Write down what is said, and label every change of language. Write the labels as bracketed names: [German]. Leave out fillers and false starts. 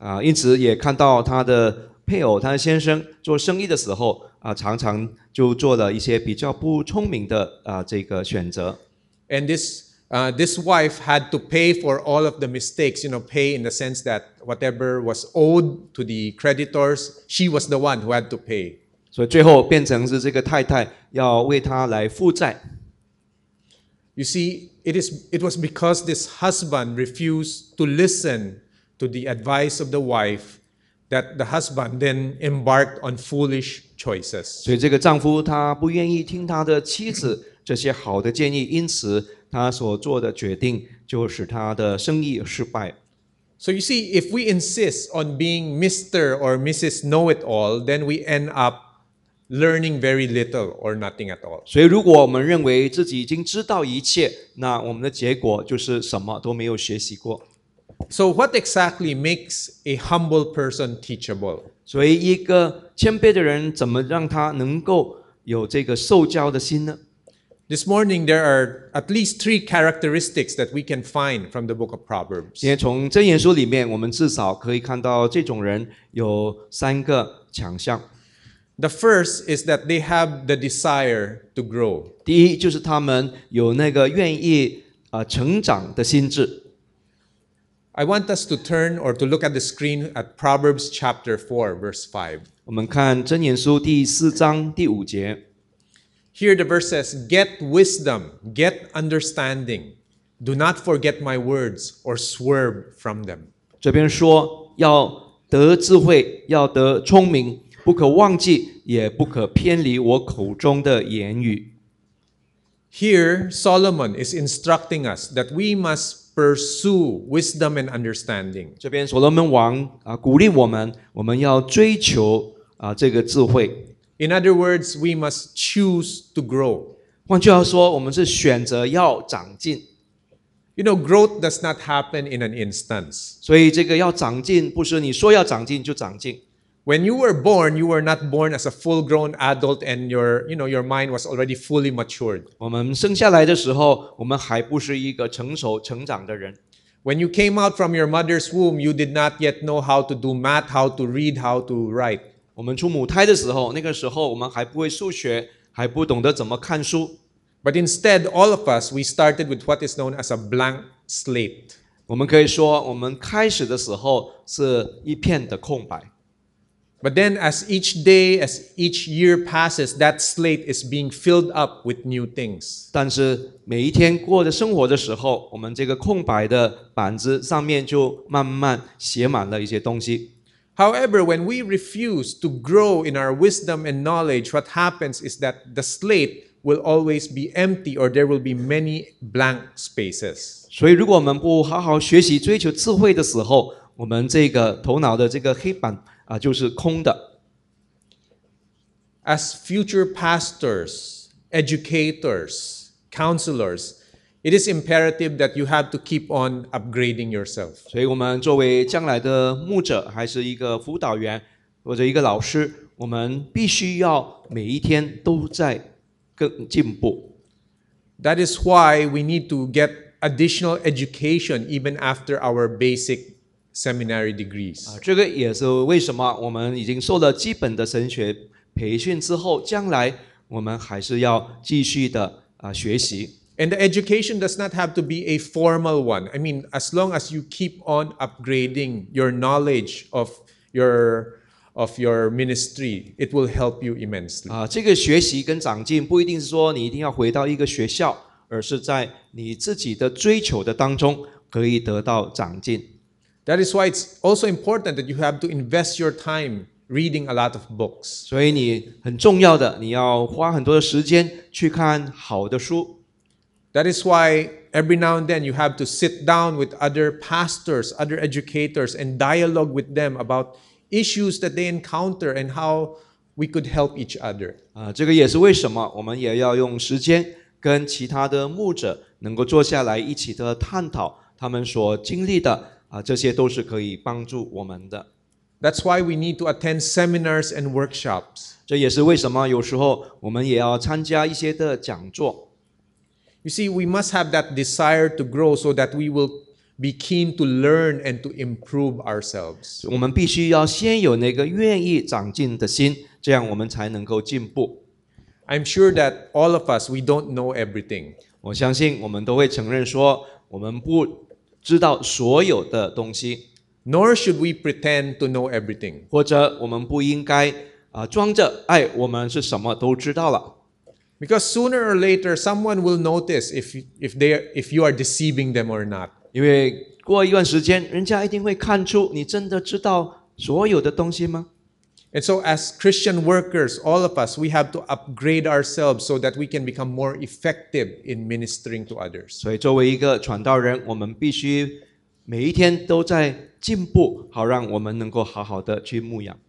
[Chinese] 因此也看到他的配偶他的先生做生意的时候常常就做了一些比较不聪明的这个选择。 [English] And this wife had to pay for all of the mistakes, you know, pay in the sense that whatever was owed to the creditors, she was the one who had to pay. [Chinese] 所以最后变成是这个太太要为他来负债。 [English] You see, it was because this husband refused to listen. To the advice of the wife, that the husband then embarked on foolish choices. [Chinese] 所以这个丈夫他不愿意听他的妻子这些好的建议，因此他所做的决定就使他的生意失败。 [English] So you see, if we insist on being Mr. or Mrs. Know-it-all, then we end up learning very little or nothing at all. [Chinese] 所以如果我们认为自己已经知道一切，那我们的结果就是什么都没有学习过。 [English] So what exactly makes a humble person teachable? [Chinese] 所以一个谦卑的人怎么让他能够有这个受教的心呢？ [English] This morning there are at least three characteristics that we can find from the book of Proverbs. [Chinese] 今天从箴言书里面我们至少可以看到这种人有三个强项。 [English] The first is that they have the desire to grow. [Chinese] 第一就是他们有那个愿意成长的心智。 [English] I want us to turn or to look at the screen at Proverbs chapter 4, verse 5. [Chinese] 我们看箴言书第四章第五节。 [English] Here the verse says, Get wisdom, get understanding. Do not forget my words or swerve from them. [Chinese] 这边说要得智慧，要得聪明，不可忘记，也不可偏离我口中的言语。 [English] Here Solomon is instructing us that we must pursue wisdom and understanding. [Chinese] 这边所罗门王鼓励我们，我们要追求这个智慧。 [English] In other words, we must choose to grow. [Chinese] 换句话说，我们是选择要长进。 [English] You know, growth does not happen in an instance. [Chinese] 所以这个要长进，不是你说要长进就长进。 [English] When you were born, you were not born as a full-grown adult, and your mind was already fully matured. [Chinese] 我们生下来的时候，我们还不是一个成熟成长的人。 [English] When you came out from your mother's womb, you did not yet know how to do math, how to read, how to write. [Chinese] 我们出母胎的时候，那个时候我们还不会数学，还不懂得怎么看书。 [English] But instead, all of us, we started with what is known as a blank slate. [Chinese] 我们可以说，我们开始的时候是一片的空白。 [English] But then as each day, as each year passes, that slate is being filled up with new things. [Chinese] 但是每一天过着生活的时候，我们这个空白的板子上面就慢慢写满了一些东西。 [English] However, when we refuse to grow in our wisdom and knowledge, what happens is that the slate will always be empty or there will be many blank spaces. [Chinese] 所以如果我们不好好学习追求智慧的时候，我们这个头脑的这个黑板就是空的。 [English] As future pastors, educators, counselors, it is imperative that you have to keep on upgrading yourself. [Chinese] 所以我们作为将来的牧者，还是一个辅导员，或者一个老师，我们必须要每一天都在更进步。 [English] That is why we need to get additional education even after our basic seminary degrees. [Chinese] 这个也是为什么我们已经受了基本的神学培训之后，将来我们还是要继续的学习。 [English] And the education does not have to be a formal one. I mean, as long as you keep on upgrading your knowledge of your ministry, it will help you immensely. [Chinese] 这个学习跟长进不一定是说你一定要回到一个学校，而是在你自己的追求的当中可以得到长进。 [English] That is why it's also important that you have to invest your time reading a lot of books. [Chinese] 所以你很重要的，你要花很多的时间去看好的书。 [English] That is why every now and then you have to sit down with other pastors, other educators, and dialogue with them about issues that they encounter and how we could help each other. [Chinese] 这个也是为什么我们也要用时间跟其他的牧者能够坐下来一起的探讨他们所经历的这些都是可以帮助我们的。 [English] That's why we need to attend seminars and workshops. [Chinese] 这也是为什么有时候我们也要参加一些的讲座。 [English] You see, we must have that desire to grow so that we will be keen to learn and to improve ourselves. [Chinese] 我们必须要先有那个愿意长进的心，这样我们才能够进步。 [English] I'm sure that all of us, we don't know everything. [Chinese] 我相信我们都会承认说，我们不知道所有的东西。 [English] Nor should we pretend to know everything. [Chinese] 或者我们不应该装着，我们是什么都知道了。 [English] Because sooner or later, someone will notice if you are deceiving them or not. [Chinese] 因为过一段时间，人家一定会看出你真的知道所有的东西吗？ [English] And so as Christian workers, all of us, we have to upgrade ourselves so that we can become more effective in ministering to others. [Chinese] 所以作为一个传道人，我们必须每一天都在进步，好让我们能够好好的去牧养。